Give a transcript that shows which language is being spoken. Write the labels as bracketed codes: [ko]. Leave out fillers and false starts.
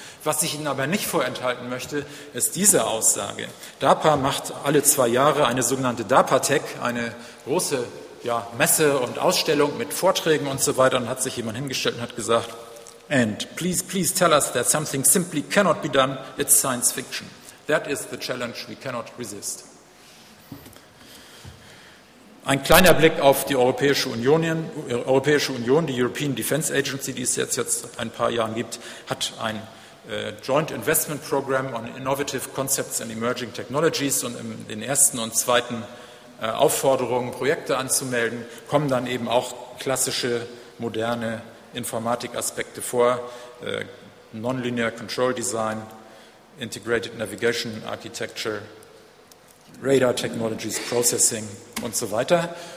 [de] Was ich Ihnen aber nicht vorenthalten möchte, ist diese Aussage. DARPA macht alle 2 Jahre eine sogenannte DARPA-Tech, eine große Messe und Ausstellung mit Vorträgen und so weiter, und hat sich jemand hingestellt und hat gesagt, [en] and please, please tell us that something simply cannot be done, it's science fiction. That is the challenge we cannot resist. [de] Ein kleiner Blick auf die Europäische Union, die European Defence Agency, die es jetzt ein paar Jahren gibt, hat ein Joint Investment Program on Innovative Concepts and Emerging Technologies, und in den ersten und zweiten Aufforderungen, Projekte anzumelden, kommen dann eben auch klassische moderne Informatikaspekte vor, Nonlinear Control Design, Integrated Navigation Architecture, Radar Technologies, Processing und so weiter.